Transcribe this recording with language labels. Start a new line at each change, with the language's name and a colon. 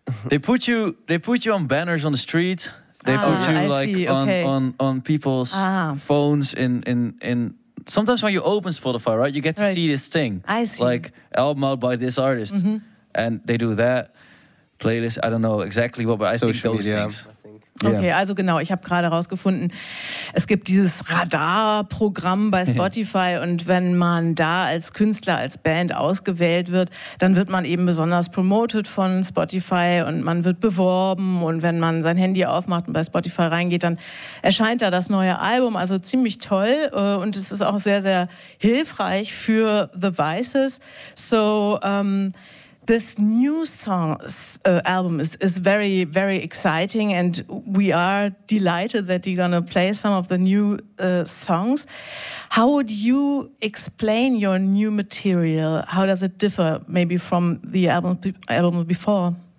English: They put you on banners on the street. They put you on people's phones in sometimes when you open Spotify, right? You get to see this thing. I see. Like album out by this artist. Mm-hmm. And they do that. Playlist, I don't know exactly what, but I social think those media. Things. Yeah.
German: Okay, also genau, ich habe gerade rausgefunden, es gibt dieses Radar-Programm bei Spotify und wenn man da als Künstler, als Band ausgewählt wird, dann wird man eben besonders promoted von Spotify und man wird beworben und wenn man sein Handy aufmacht und bei Spotify reingeht, dann erscheint da das neue Album, also ziemlich toll und es ist auch sehr, sehr hilfreich für The Vices.
English: So, this new song album is very, very exciting and we are delighted that you're going to play some of the new songs. How would you explain your new material? How does it differ maybe from the album before?